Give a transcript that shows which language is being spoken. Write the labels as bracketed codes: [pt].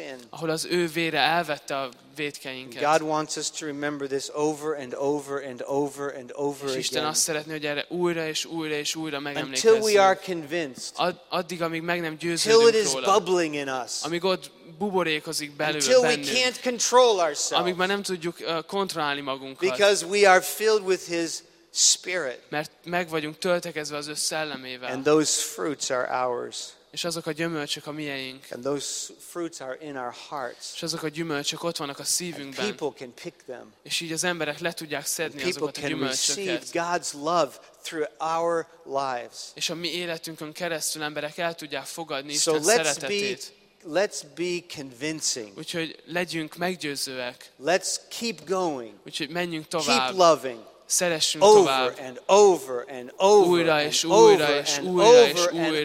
[hu] Ahol az ő vére elvette a vétkeinket. [en] God wants us to remember this over and over and over and over again. [hu] És Isten azt szeretné, hogy erre újra és újra és újra megemlékezzünk. [en] Until we are convinced. [hu] Addig, amíg meg nem győződünk róla. [en] Till it is bubbling in us. [hu] Amíg ott buborékozik belőle bennünk. [en] Until we can't control ourselves. [hu] Amíg már nem tudjuk kontrollálni magunkat. [en] Because we are filled with his spirit. [hu] Mert meg vagyunk töltekezve az ő szellemével. [en] And those fruits are ours. [hu] És azok a gyümölcsök a miénk. [en] And those fruits are in our hearts. [hu] És azok a gyümölcsök ott vannak a szívünkben. [en] And people can pick them. [hu] És így az emberek le tudják szedni azokat a gyümölcsöket. [en] People can receive God's love through our lives. [hu] És a mi életünkön keresztül emberek el tudják fogadni Isten [en] so [hu] szeretetét. [en] Let's be convincing. [hu] Úgyhogy legyünk meggyőzőek. [en] Let's keep going. [hu] Úgyhogy menjünk tovább. [en] Keep loving. [hu] Szeressünk tovább. [en] Over and over and over [hu] újra és újra és újra és újra